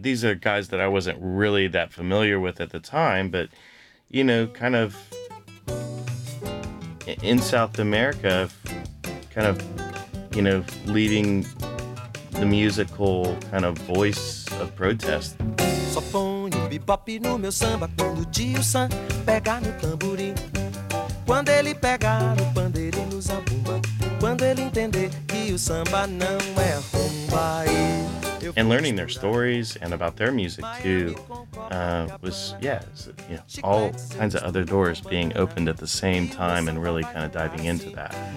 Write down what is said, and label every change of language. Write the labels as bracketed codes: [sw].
[en] These are guys that I wasn't really that familiar with at the time, but, you know, kind of in South America, kind of, you know, leading the musical kind of voice of protest. [pt] Só põe um bebop no meu samba quando o tio Sam pegar no tamborim. Quando ele pegar o pandeirinho no zabumba. Quando ele entender que o samba não é rumba. [en] And learning their stories and about their music too was all kinds of other doors being opened at the same time and really kind of diving into that.